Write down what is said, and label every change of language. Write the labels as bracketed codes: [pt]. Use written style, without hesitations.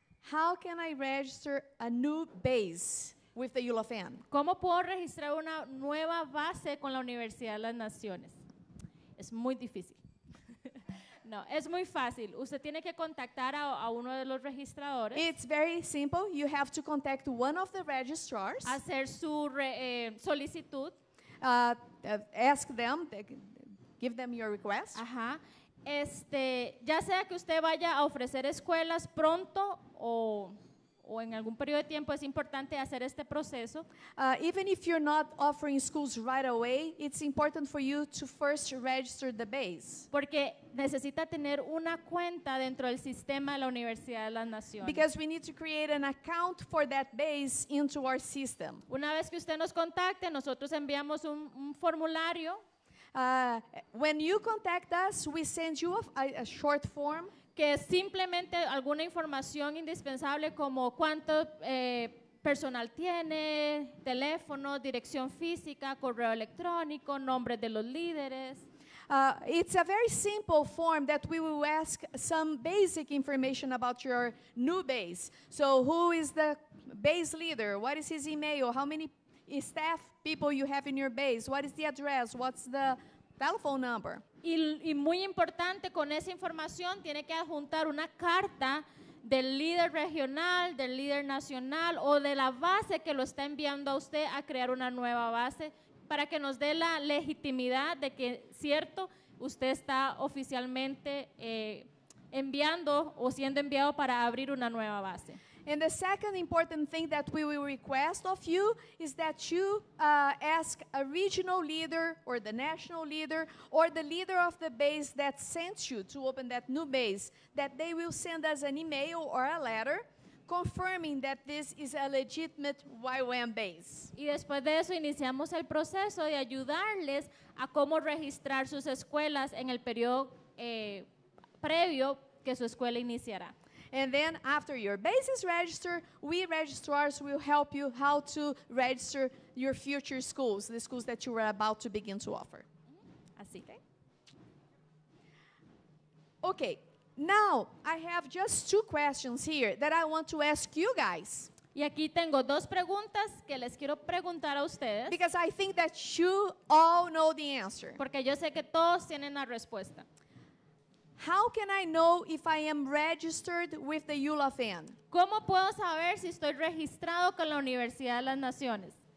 [en] How can I register a new base with the UofN? [es] ¿Cómo puedo registrar una nueva base con la Universidad de las Naciones? Es muy difícil. No, es muy fácil. Usted tiene que contactar a uno de los registradores. [en] It's very simple. You have to contact one of the registrars. [es] Hacer su solicitud. [en] Ask them, give them your request. Ajá. [es] Ya sea que usted vaya a ofrecer escuelas pronto o en algún periodo de tiempo, es importante hacer este proceso. [en] Even if you're not offering schools right away, it's important for you to first register the base. [es] Porque necesita tener una cuenta dentro del sistema de la Universidad de las Naciones. [en] Because we need to create an account for that base into our system. [es] Una vez que usted nos contacte, nosotros enviamos un formulario. [en] When you contact us, we send you a short form. [es] Que es simplemente alguna información indispensable como cuánto personal tiene, teléfono, dirección física, correo electrónico, nombre de los líderes. [en] It's a very simple form that we will ask some basic information about your new base. So who is the base leader? What is his email? How many staff people you have in your base? What is the address? What's the telephone number? [es] Y muy importante, con esa información tiene que adjuntar una carta del líder regional, del líder nacional o de la base que lo está enviando a usted a crear una nueva base para que nos dé la legitimidad de que, cierto, usted está oficialmente enviando o siendo enviado para abrir una nueva base. [en] And the second important thing that we will request of you is that you ask a regional leader or the national leader or the leader of the base that sent you to open that new base, that they will send us an email or a letter confirming that this is a legitimate UofN base. [es] Y después de eso iniciamos el proceso de ayudarles a cómo registrar sus escuelas en el periodo previo que su escuela iniciará. [en] And then after your base is registered, we registrars will help you how to register your future schools, the schools that you are about to begin to offer. [es] Así que. [en] Okay, now I have just two questions here that I want to ask you guys. [es] Y aquí tengo dos preguntas que les quiero preguntar a ustedes. [en] Because I think that you all know the answer. [es] Porque yo sé que todos tienen la respuesta. [en] How can I know if I am registered with the UofN? [es] ¿Cómo puedo saber si estoy registrado con la Universidad de las Naciones?